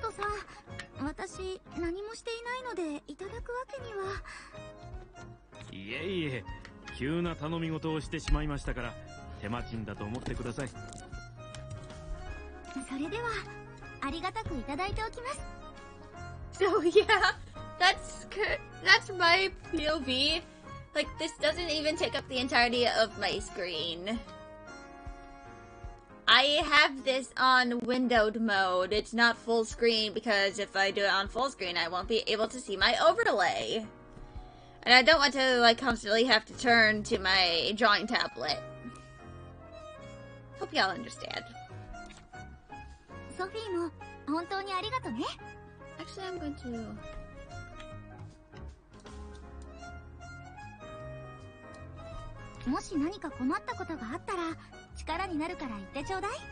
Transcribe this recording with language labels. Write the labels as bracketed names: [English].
[English] Horst, I haven't done anything, so I can't eat it. I've done a lot of things. [Japanese] 手間賃だと思ってください。それではありがたくいただいておきます。 [English] So yeah, that's my POV. Like this doesn't even take up the entirety of my screen. I have this on windowed mode. It's not full screen because if I do it on full screen, I won't be able to see my overlay. And I don't want to like constantly have to turn to my drawing tablet. Hope y'all understand. [Japanese] Sophie, も本当にありがとうね。 [English] Actually, I'm going to. [Japanese] もし何か困ったことがあったら、力になるから言ってちょうだい。